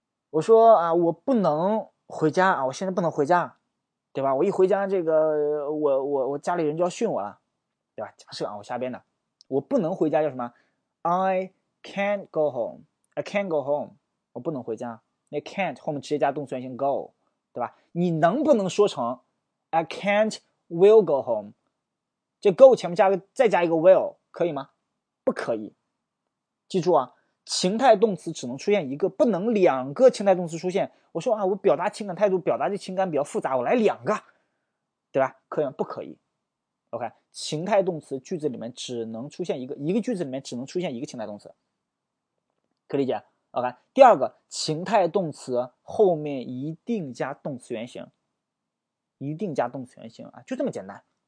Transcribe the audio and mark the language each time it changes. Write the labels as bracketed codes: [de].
[zh] 我说啊，我不能回家啊，我现在不能回家，对吧？我一回家，这个我家里人就要训我了，对吧？假设啊，我瞎编的，我不能回家叫什么？ [en] I can't go home. I can't go home. [zh] 我不能回家，那 can't 后面直接加动词原形 go，对吧？你能不能说成 [en] I can't will go home？ [zh] 这 go 前面再加一个 will 可以吗？不可以。记住啊。情态动词只能出现一个，不能两个情态动词出现。我说啊，我表达情感态度，表达的情感比较复杂，我来两个，对吧？可以吗？不可以。 OK，情态动词句子里面只能出现一个，一个句子里面只能出现一个情态动词，可理解？OK，第二个，情态动词后面一定加动词原形，一定加动词原形啊，就这么简单。